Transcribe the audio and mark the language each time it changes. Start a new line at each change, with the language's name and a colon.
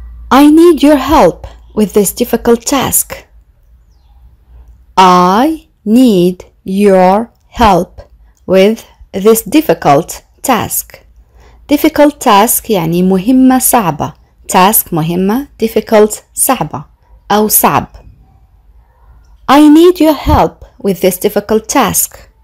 English: I need your help with this difficult task. I need your help with this difficult task. Difficult task
Arabic: يعني مهمة صعبة. Task مهمة difficult صعبة أو صعب.
English: I need your help with this difficult task.